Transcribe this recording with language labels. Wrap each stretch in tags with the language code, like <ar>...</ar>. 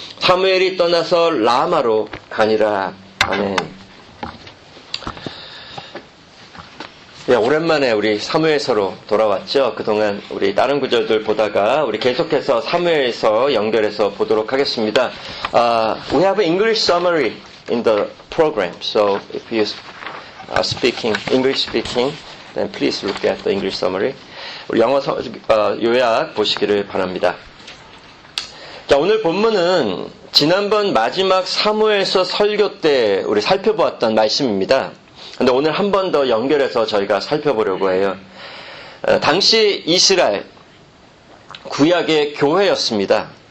<ko>사무엘이 떠나서 라마로 가니라. 아멘. 예, 오랜만에 우리 사무엘서로 돌아왔죠. 그동안 우리 다른 구절들 보다가 우리 계속해서 사무엘서 연결해서 보도록 하겠습니다.</ko> <en>We have an English summary in the program. So if you are speaking, English speaking, then please look at the English summary.</en> <ko>우리 영어 요약 보시기를 바랍니다. 자, 오늘 본문은 지난번 마지막 사무엘서 설교 때 우리 살펴보았던 말씀입니다. 근데 오늘 한 번 더 연결해서 저희가 살펴보려고 해요. 당시 이스라엘 구약의 교회였습니다.</ko>